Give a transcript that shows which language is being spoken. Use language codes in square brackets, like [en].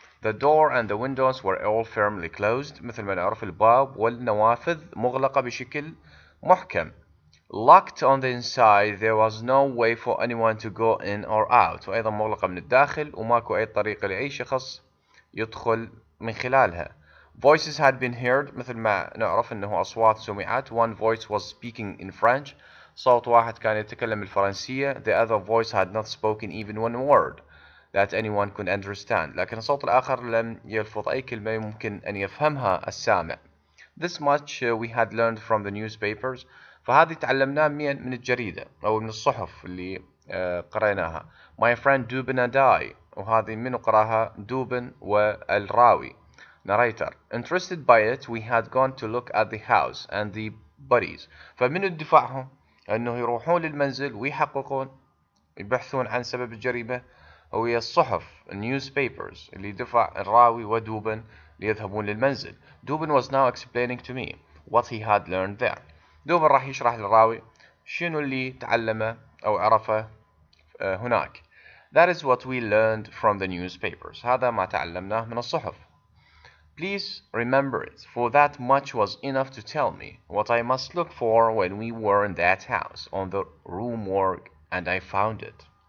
[en] The door and the windows were all firmly closed. [ar] مثل ما نعرف الباب والنوافذ مغلقة بشكل محكم. [en] Locked on the inside, there was no way for anyone to go in or out. [ar] وأيضا مغلقة من الداخل وماكو أي طريق لأي شخص يدخل من خلالها. [en] Voices had been heard. [ar] مثل ما نعرف أنه أصوات سمعت. [en] One voice was speaking in French. [ar] صوت واحد كان يتكلم الفرنسية. [en] The other voice had not spoken even one word that anyone could understand. [ar] لكن الصوت الآخر لم يلفظ أي كلمة ممكن أن يفهمها السامع. [en] This much we had learned from the newspapers. [ar] فهذه تعلمناه من الجريدة أو من الصحف اللي قريناها. [en] My friend Dubin and I. [ar] وهذه من قراها دوبن والراوي. [en] Narrator. Interested by it, we had gone to look at the house and the bodies. [ar] فمن الدفعهم أنه يروحون للمنزل ويحققون يبحثون عن سبب الجريمة هو الصحف newspapers اللي دفع الراوي ودوبن ليذهبون للمنزل. [en] Dobbin was now explaining to me what he had learned there. [ar] دوبن راح يشرح للراوي شنو اللي تعلمه أو عرفه هناك. [en] That is what we learned from the newspapers. [ar] هذا ما تعلمناه من الصحف. [en] Please remember it, for that much was enough to tell me what I must look for when we were in that house on the room morgue and I found it.